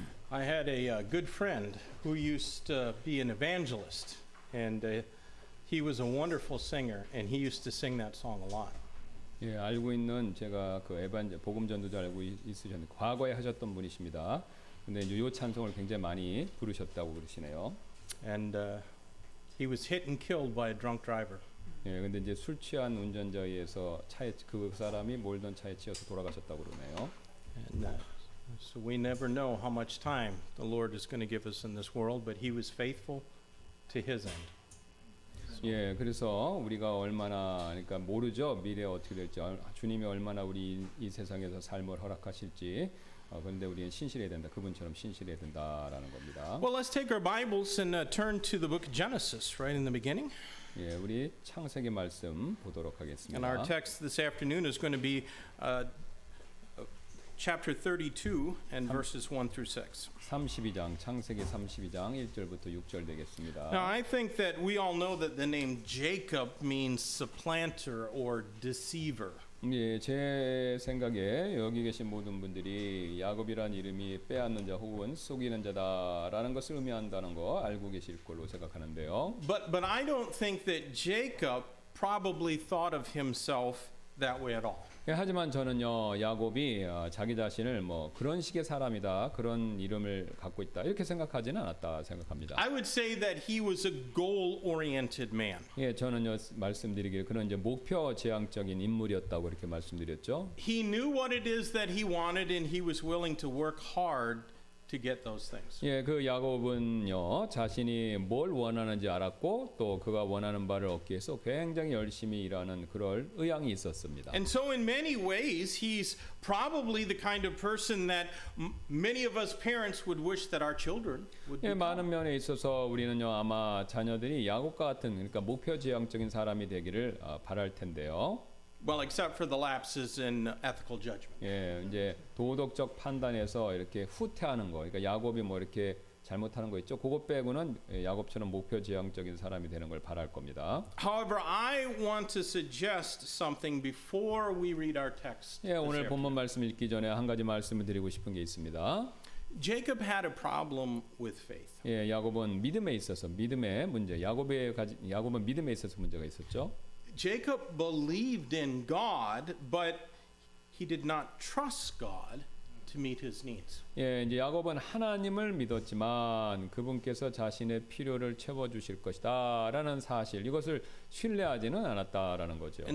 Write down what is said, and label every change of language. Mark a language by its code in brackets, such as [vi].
[en] I had a good friend who used to be an evangelist, and he was a wonderful singer, and he used to sing that song a lot. [ko] 예, 알고 있는 제가 그 에반제 복음 전도자 알고 있으신 과거에 하셨던 분이십니다. 근데 요 찬송을 굉장히 많이 부르셨다고 그러시네요. [en] And he was hit and killed by a drunk driver. [ko] 예, 근데 이제 술 취한 운전자에 의해서 차에 그 사람이 몰던 차에 치여서 돌아가셨다고 그러네요. [en] And, so we never know how much time the Lord is going to give us in this world, but he was faithful to his end. [ko] 예, 그래서 우리가 얼마나 그러니까 모르죠. 미래 어떻게 될지. 주님이 얼마나 우리 이 세상에서 삶을 허락하실지. 어, 근데 우리는 신실해야 된다. 그분처럼 신실해야 된다라는 겁니다. [en] Well, let's take our Bibles and turn to the book of Genesis right in the beginning. [ko] 예, 우리 창세기 말씀 보도록 하겠습니다. [en] And our text this afternoon is going to be chapter 32 and verses 1 through 6. [ko] 32장 창세기 32장 1절부터 6절 되겠습니다. [en] Now, I think that we all know that the name Jacob means supplanter or deceiver. [ko] 예, 제 생각에 여기 계신 모든 분들이 야곱이란 이름이 빼앗는 자 혹은 속이는 자다라는 것을 의미한다는 거 알고 계실 걸로 생각하는데요. [en] But I don't think that Jacob probably thought of himself that way at all. [ko] 예, 하지만 저는요 야곱이 자기 자신을 뭐 그런 식의 사람이다 그런 이름을 갖고 있다 이렇게 생각하지는 않았다 생각합니다. [en] I would say that he was a goal-oriented man. [ko] 예, 저는요 말씀드리기를 그는 이제 목표 지향적인 인물이었다고 이렇게 말씀드렸죠. [en] He knew what it is that he wanted, and he was willing to work hard to get those things. [ko] 예, 그 야곱은요 자신이 뭘 원하는지 알았고 또 그가 원하는 바를 얻기 위해서 굉장히 열심히 일하는 그럴 의향이 있었습니다. [en] And so in many ways he's probably the kind of person that many of us parents would wish that our children would be. [ko] 예, 많은 면에 있어서 우리는요 아마 자녀들이 야곱과 같은 그러니까 목표 지향적인 사람이 되기를 바랄 텐데요. [en] Well, except for the lapses in ethical judgment. [ko] 예, 이제 도덕적 판단에서 이렇게 후퇴하는 거. 그러니까 야곱이 뭐 이렇게 잘못하는 거 있죠. 그것 빼고는 야곱처럼 목표 지향적인 사람이 되는 걸 바랄 겁니다. [en] However, I want to suggest something before we read our text. [ko] 예, 오늘 본문 말씀 읽기 전에 한 가지 말씀을 드리고 싶은 게 있습니다. [en] Jacob had a problem with faith. [ko] 예, 야곱은 믿음에 있어서 믿음의 문제. 야곱은 믿음에 있어서 문제가 있었죠. [en] Jacob believed in God, but he did not trust God to meet his needs. [ko] 예, 이제 야곱은 하나님을 믿었지만 그분께서 자신의 필요를 채워 주실 것이다라는 사실 이것을 신뢰하지는 않았다라는 거죠.